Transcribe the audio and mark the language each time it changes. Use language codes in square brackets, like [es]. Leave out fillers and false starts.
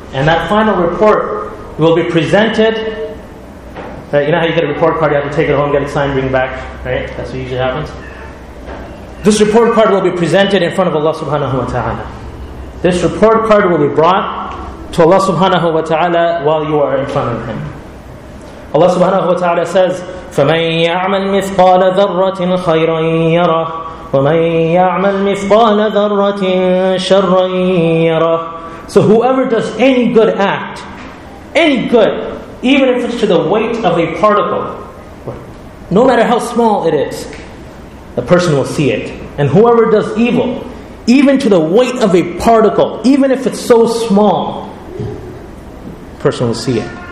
[en] And that final report will be presented. Right, you know how you get a report card, you have to take it home, get it signed, bring it back, right? That's what usually happens. This report card will be presented in front of Allah subhanahu wa ta'ala. This report card will be brought to Allah subhanahu wa ta'ala while you are in front of Him. Allah subhanahu wa ta'ala says, [ar] فَمَنْ يَعْمَلْ مِثْقَالَ ذَرَّةٍ خَيْرًا يَرَهُ وَمَنْ يَعْمَلْ مِثْقَالَ ذَرَّةٍ شَرًّا يَرَهُ. [en] So whoever does any good act, any good, even if it's to the weight of a particle, no matter how small it is, the person will see it. And whoever does evil, even to the weight of a particle, even if it's so small, the person will see it.